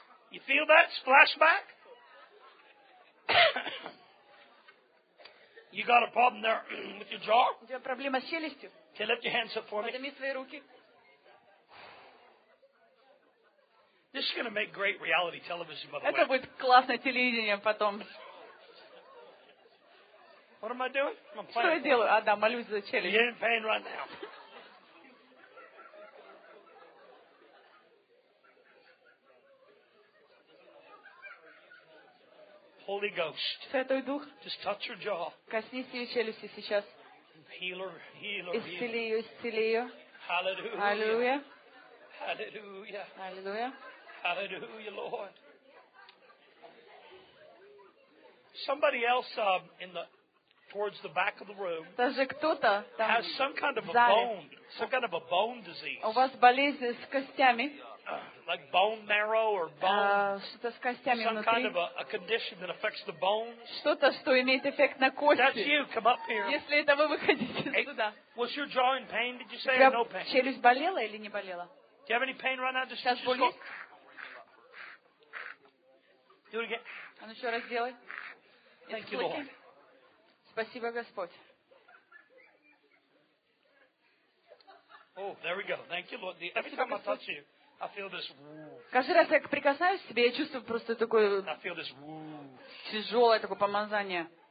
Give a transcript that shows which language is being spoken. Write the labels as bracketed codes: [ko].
[en] You feel that splashback? You got a problem there with your jaw? Can you lift your hands up for me? This is going to make great reality television, by the way. [ru] Это будет классное телевидение потом. [en] What am I doing? I'm praying. [ru] Что я делаю? А, да, молюсь за челюсть. [en] You're in pain right now. Holy Ghost. [ru] Святой Дух. [en] Just touch your jaw. [ru] Коснись ее челюсти сейчас. [en] Healer. [ru] Исцели ее, исцели ее. [en] Hallelujah. Hallelujah. Hallelujah. Hallelujah. Hallelujah, Lord. Somebody else towards the back of the room has some kind of a bone, some kind of a bone disease. [ru] У вас болезнь с костями? [en] Like bone marrow or bone? [ru] Что-то с костями внутри. [en] Some kind of a condition that affects the bones. [ru] Что-то, что имеет эффект на кости. [en] That's you. Come up here. [ru] Если это вы, выходите сюда. [en] Was your jaw in pain? Did you say no pain? [ru] Челюсть болела или не болела? [en] Do you have any pain right now? [ru] Сейчас болит. [en] Do it again. [ru] Еще раз сделай. [en] Thank you, Lord. [ru] Спасибо, Господь. [en] Oh, there we go. Thank you, Lord. Every time I touch you, I feel this. [ru] Каждый раз, как прикасаюсь к тебе, я чувствую просто такое. [en] I feel this. [ru] Тяжелое такое помазание.